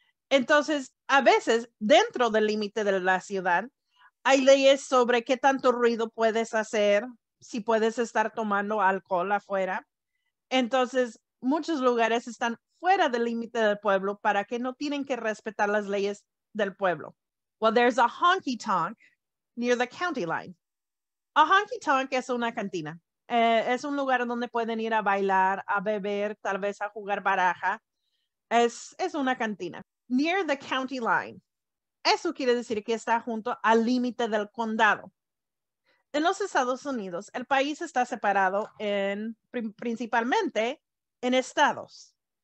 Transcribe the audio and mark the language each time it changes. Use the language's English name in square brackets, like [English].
[Spanish] Entonces, a veces, dentro del límite de la ciudad, hay leyes sobre qué tanto ruido puedes hacer, si puedes estar tomando alcohol afuera. Entonces, muchos lugares están fuera del límite del pueblo para que no tienen que respetar las leyes del pueblo. [English] Well, there's a honky-tonk near the county line. [Spanish] A honky-tonk es una cantina. Es un lugar donde pueden ir a bailar, a beber, tal vez a jugar baraja. Es una cantina. [English] Near the county line. [Spanish] Eso quiere decir que está junto al límite del condado. En los Estados Unidos, el país está separado en, principalmente en estados.